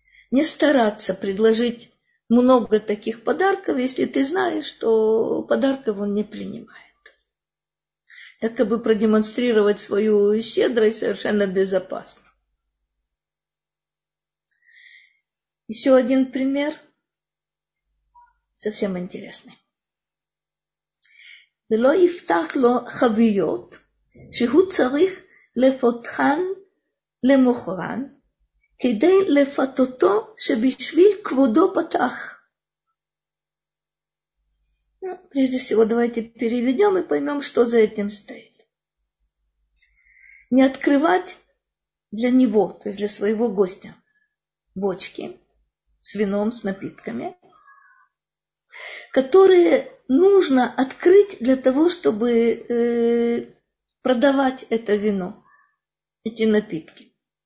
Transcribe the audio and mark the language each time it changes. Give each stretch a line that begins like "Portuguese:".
Russian: Не стараться предложить много таких подарков, если ты знаешь, что подарков он не принимает. Якобы продемонстрировать свою щедрость совершенно безопасно. Еще один пример, совсем интересный.
Hebrew: ולא יפתח לו חביות שהוא צריך לפותחן למוכרן כדי לפתותו שבשביל כבודו פתח.
Russian: Прежде всего, давайте переведем и поймем, что за этим стоит. Не открывать для него, то есть для своего гостя, бочки с вином, с напитками, которые нужно открыть для того, чтобы продавать это вино, эти напитки.